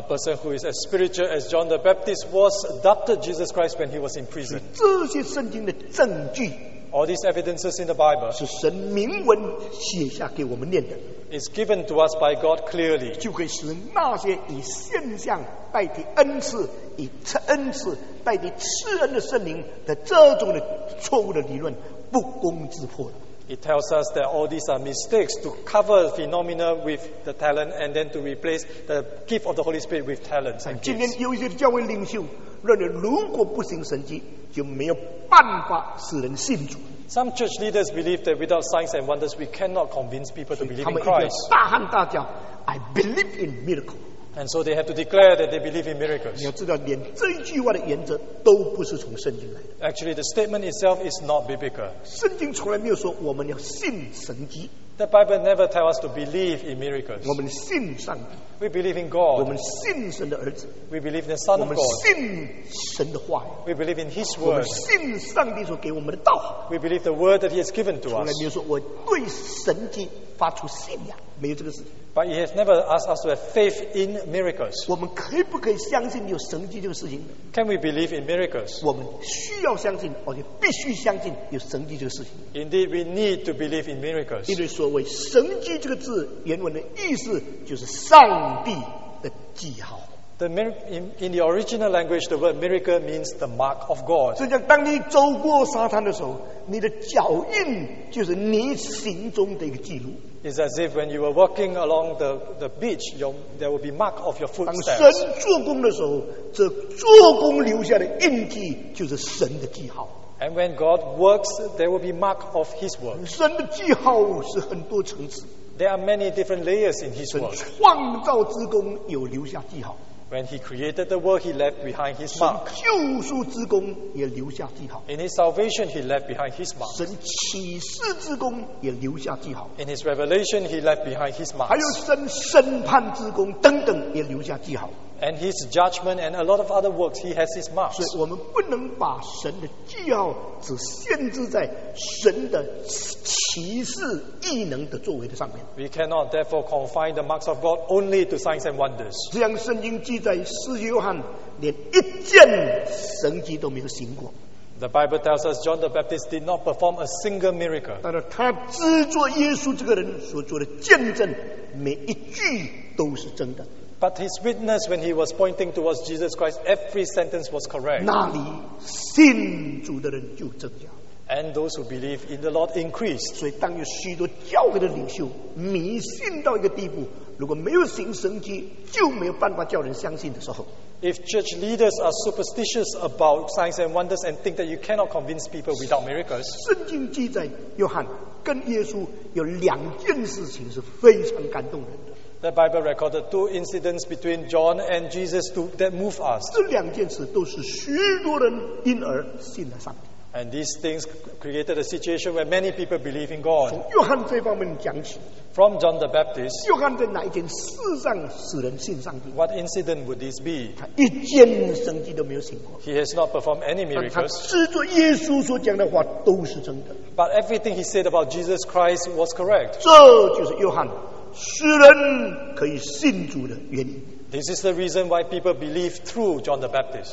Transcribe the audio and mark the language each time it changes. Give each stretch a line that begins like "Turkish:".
English: A person who is as spiritual as John the Baptist was doubted Jesus Christ when he was in prison.
Chinese: 这些圣经的证据，
English: All these evidences in the Bible
Chinese: 是神明文写下给我们念的。
English: Is given to us by God clearly.
Chinese: 就可以使那些以现象代替恩赐，以恩赐代替赐恩的圣灵的这种的错误的理论不攻自破。
English: It tells us that all these are mistakes to cover the phenomena with the talent and then to replace the gift of the Holy Spirit with talents and gifts.
Chinese: 今天有一些教会领袖认为如果不行神迹就没有办法使人信主。
English: Some church leaders believe that without signs and wonders we cannot convince people to believe in Christ.
Chinese: 他们一定要大喊大叫，
English: I believe in miracles. And so they have to declare that they believe in miracles.
Chinese: 你要知道连这一句话的原则都不是从圣经来的。
English: Actually, the statement itself is not biblical.
Chinese: 圣经从来没有说我们要信神迹。
English: The Bible never tells us to believe in miracles.
Chinese: 我们信上帝。
English: We believe in God.
Chinese: 我们信神的儿子。
English: We believe in the Son of God.
Chinese: 我们信神的话。
English: We believe in His word.
Chinese: 我们信上帝所给我们的道。
English: We believe the word that He has given to us.
Chinese: 从来没有说我对神迹发出信仰，没有这个事。
English: But He has never asked us to have faith in miracles.
Chinese: 我们可以不可以相信有神迹这个事情？
English: Can we believe in miracles?
Chinese: 我们需要相信，而且必须相信有神迹这个事情。
English: Indeed, we need to believe in miracles.
Chinese: 因为所谓神迹这个字，原文的意思就是上帝的记号。
English: In the original language, the word miracle means the mark of God.
Chinese: 就像当你走过沙滩的时候，你的脚印就是你行踪的一个记录。
English: It's as if when you were walking along the beach, there will be mark of your footsteps.
Chinese: 当神做工的时候，这做工留下的印记就是神的记号。
English: And when God works, there will be mark of His work.
Chinese: 神的记号是很多层次。
English: There are many different layers in His work.
Chinese: 神创造之工有留下记号。
English: When he created the world, he left behind his mark.
Chinese: 神救赎之工也留下记号。
English: In his salvation, he left behind his mark.
Chinese: 神启示之工也留下记号。
English: In his revelation, he left behind his mark.
Chinese: 还有神审判之工等等也留下记号。
English: And his judgment and a lot of other works, he has his marks.
Chinese: 所以我们不能把神的记号只限制在神的启示异能的作为的上面。
English: We cannot therefore confine the marks of God only to signs and wonders.
Chinese: 这样圣经记载，使徒约翰连一件神迹都没有行过。
English: The Bible tells us John the Baptist did not perform a single miracle.
Chinese: 但是他只做耶稣这个人所做的见证，每一句都是真的。
English: But his witness when he was pointing towards Jesus Christ, every sentence was correct.
Chinese: 那里信主的人就增加。
English: And those who believe in the Lord increase.
Chinese: 所以当有许多教会的领袖迷信到一个地步，如果没有行神迹，就没有办法叫人相信的时候。
English: If church leaders are superstitious about signs and wonders and think that you cannot convince people without miracles.
Chinese: 圣经记载，约翰跟耶稣有两件事情是非常感动人的。
English: The Bible recorded two incidents between John and Jesus that move us.
Chinese: 这两件事都是许多人因而信了上帝。
English: And these things created a situation where many people believe in God.
Chinese: 从约翰这方面讲起。
English: From John the Baptist.
Chinese: 约翰在哪一件事上使人信上帝？
English: What incident would this be?
Chinese: 他一件神迹都没有行过。
English: He has not performed any miracles.
Chinese: 但他知道耶稣所讲的话都是真的。
English: But everything he said about Jesus Christ was correct.
Chinese: 这就是约翰。使人可以信主的原因。
English: This is the reason why people believe through John the Baptist.